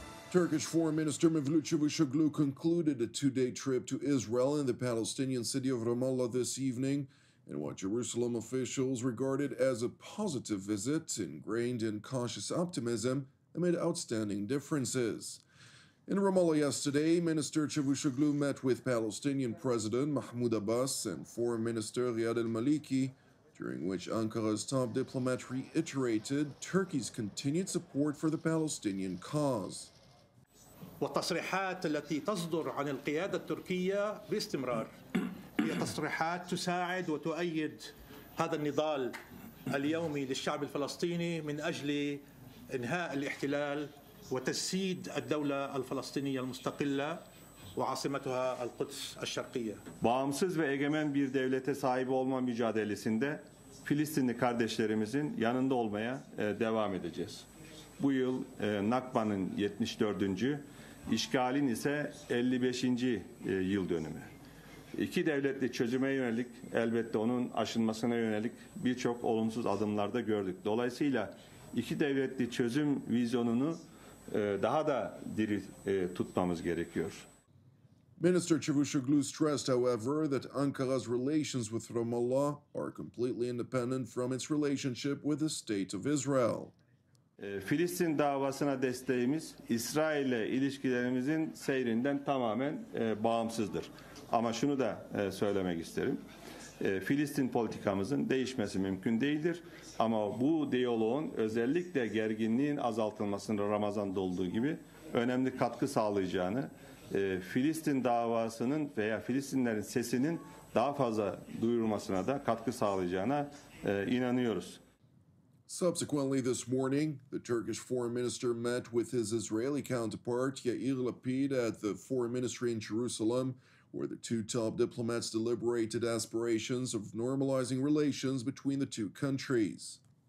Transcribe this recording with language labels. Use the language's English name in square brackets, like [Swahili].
[English] Turkish Foreign Minister Mevlut Çavuşoğlu concluded a two-day trip to Israel and the Palestinian city of Ramallah this evening in what Jerusalem officials regarded as a positive visit ingrained in cautious optimism amid outstanding differences. In Ramallah yesterday, Minister Çavuşoğlu met with Palestinian President Mahmoud Abbas and Foreign Minister Riyad al-Maliki, during which Ankara's top diplomat reiterated Turkey's continued support for the Palestinian cause. [Arabic] والتصريحات التي تصدر عن القيادة التركية باستمرار هي تصريحات تساعد وتؤيد هذا النضال اليومي للشعب الفلسطيني من أجل إنهاء الاحتلال وتسييد الدولة الفلسطينية المستقلة وعاصمتها القدس الشرقية. [Turkish] Bağımsız ve egemen bir devlete sahip olma mücadelesinde Filistinli kardeşlerimizin yanında olmaya devam edeceğiz. Bu yıl Nakba'nın 74. İşgalin ise 55. yıl dönümü. İki devletli çözüme yönelik, elbette onun aşınmasına yönelik birçok olumsuz adımlar da gördük. Dolayısıyla iki devletli çözüm vizyonunu daha da diri tutmamız gerekiyor. [English] Minister Çavuşoğlu stressed, however, that Ankara's relations with Ramallah are completely independent from its relationship with the State of Israel. [Turkish] Filistin davasına desteğimiz İsrail'le ilişkilerimizin seyrinden tamamen bağımsızdır. Ama şunu da söylemek isterim. Filistin politikamızın değişmesi mümkün değildir. Ama bu diyaloğun özellikle gerginliğin azaltılmasına Ramazan'da olduğu gibi önemli katkı sağlayacağını, Filistin davasının veya Filistinlerin sesinin daha fazla duyurulmasına da katkı sağlayacağına inanıyoruz. [English] Subsequently this morning, the Turkish foreign minister met with his Israeli counterpart Yair Lapid at the foreign ministry in Jerusalem, where the two top diplomats deliberated aspirations of normalizing relations between the two countries.